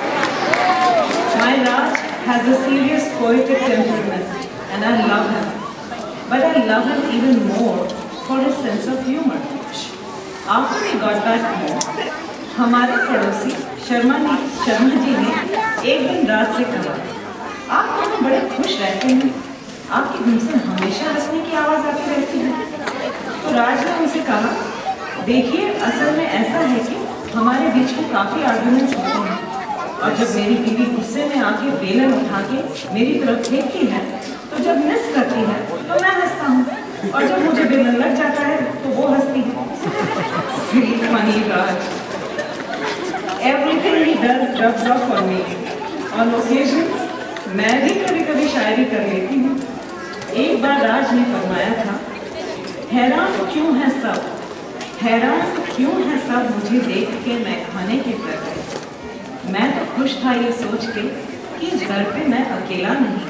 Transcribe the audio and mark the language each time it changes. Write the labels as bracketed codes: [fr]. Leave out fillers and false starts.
[en] has a serious poetic temperament and I love him. But I love him even more for his sense of humor. After we got back home, [hi] हमारे पड़ोसी शर्मा ने शर्मा जी ने एक दिन रात से कहा, आप हमें बड़े खुश रहते हैं, आपके मुंह से हमेशा हंसने की आवाज़ आती रहती है। तो राज ने उसे कहा, देखिए असल में ऐसा है कि हमारे बीच में काफ़ी आर्गुमेंट्स होते हैं और जब मेरी बीवी गुस्से में आके बेलन उठा के मेरी तरफ फेंकती है तो जब मिस करती है तो मैं हंसता हूँ और जब मुझे बेलन लग जाता है तो वो हंसती है। [en] Everything he does rubs off on me. On occasion, [hi] मैं भी कभी कभी शायरी कर लेती हूँ। एक बार राज ने फरमाया था, हैरान क्यों है सब, हैरान क्यों है सब मुझे देख के मैं खाने के घर पर। मैं तो खुश था ये सोच के कि इस घर पे मैं अकेला नहीं।